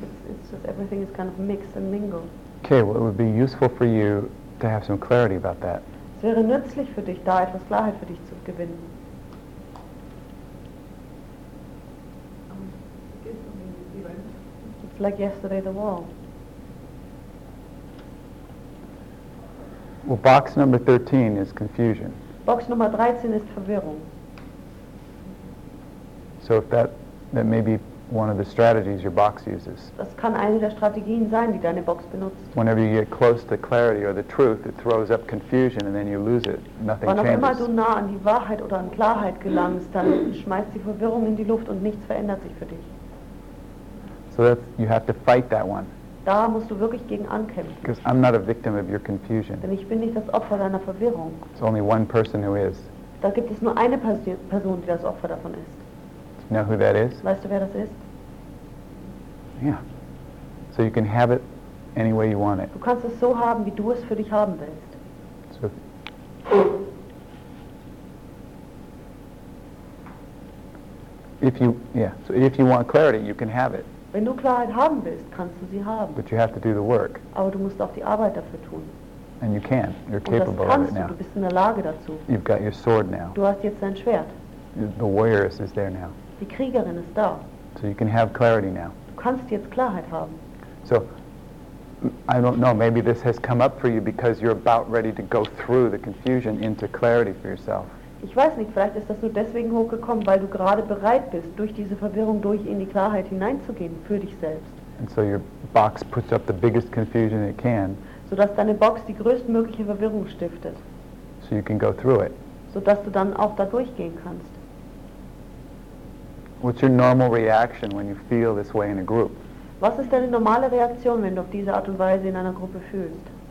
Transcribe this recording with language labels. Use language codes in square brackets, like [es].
[en] It's everything is kind of mixed and mingled. Okay, well, it would be useful for you to have some clarity about that. [de] Es wäre nützlich für dich, da etwas Klarheit für dich zu gewinnen. [en] It's like yesterday, the wall. Well, box number 13 is confusion. Box number 13 is Verwirrung. So if that may be one of the strategies your box uses. [de] Das kann eine der Strategien sein, die deine Box benutzt. [en] Whenever you get close to clarity or the truth, it throws up confusion and then you lose it. Nothing changes. [de] Wann auch immer du nah an die Wahrheit oder an Klarheit gelangst, dann schmeißt die Verwirrung in die Luft und nichts verändert sich für dich. [en] So you have to fight that one. [de] Da musst du wirklich gegen ankämpfen. [en] Because I'm not a victim of your confusion. [de] Denn ich bin nicht das Opfer deiner Verwirrung. [en] It's only one person who is. [de] Da gibt es nur eine Person, die das Opfer davon ist. [en] Do you know who that is? [de] Weißt du, wer das ist? [en] Yeah. So you can have it any way you want it. [de] Du kannst es so haben, wie du es für dich haben willst. [en] So. If you want clarity, you can have it. [de] Wenn du Klarheit haben willst, kannst du sie haben. [en] But you have to do the work. [de] Aber du musst auch die Arbeit dafür tun. [en] And you can. You're capable of it now. [de] Du bist in der Lage dazu. [en] You've got your sword now. [de] Du hast jetzt dein Schwert. [en] The warrior is there now. [de] Die Kriegerin ist da. [en] So you can have clarity now. [de] Du kannst jetzt Klarheit haben. [en] So, I don't know, maybe this has come up for you because you're about ready to go through the confusion into clarity for yourself. [de] Ich weiß nicht, vielleicht ist das nur deswegen hochgekommen, weil du gerade bereit bist, durch diese Verwirrung durch in die Klarheit hineinzugehen für dich selbst. [en] And so your box puts up the biggest confusion it can. [de] Sodass deine Box die größtmögliche Verwirrung stiftet. [en] So you can go through it. [de] Sodass du dann auch da durchgehen kannst. [en] What's your normal reaction when you feel this way in a group? [de] Was ist deine normale Reaktion, wenn du auf diese Art und Weise in einer Gruppe fühlst?